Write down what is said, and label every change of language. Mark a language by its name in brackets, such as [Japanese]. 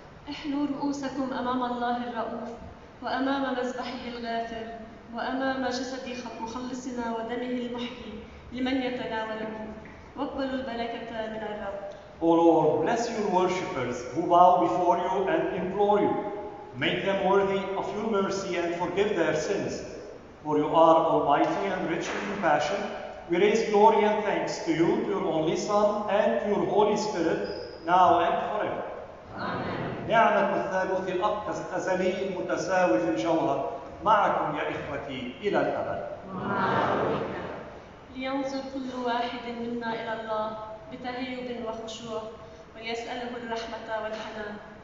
[Arabic] احلوا رؤوسكم امام الله الرؤوف وامام مذبحه الغافر وامام جسد مخلصنا ودمه المحيي لمن يتناوله واقبلوا البركه من الرب. [English] O Lord, bless your worshippers who bow before you and implore you. Make them worthy of your mercy and forgive their sins. For you are almighty and rich in compassion. We raise glory and thanks to you, to your only Son, and to your Holy Spirit, now and forever. Amen. [Arabic] نعمة الثالوث الأقدس أزلي متساوي في الجوهر معكم يا إخوتي إلى الأبد. لينظر كل واحد منا إلى الله بتهيب وخشوع ويسأله الرحمة والحنان.